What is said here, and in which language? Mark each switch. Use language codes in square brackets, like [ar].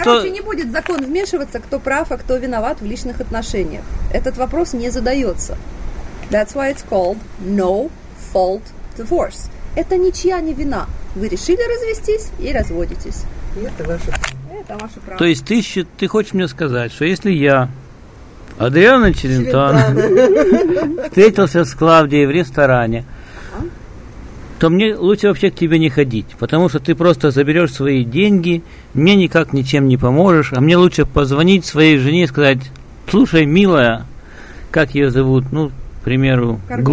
[ru] Не будет закон вмешиваться, кто прав, а кто виноват в личных отношениях. Этот вопрос не задается. [en] That's why it's called no fault divorce. [ru] Это ничья не вина. Вы решили развестись и разводитесь. Это ваше право. То есть ты хочешь мне сказать, что если я, Адриана Челентано, встретился с Клавдией в ресторане, то мне лучше вообще к тебе не ходить, потому что ты просто заберешь свои деньги, мне никак ничем не поможешь, а мне лучше позвонить своей жене и сказать: слушай, милая, как ее зовут, ну, к примеру, Карпина.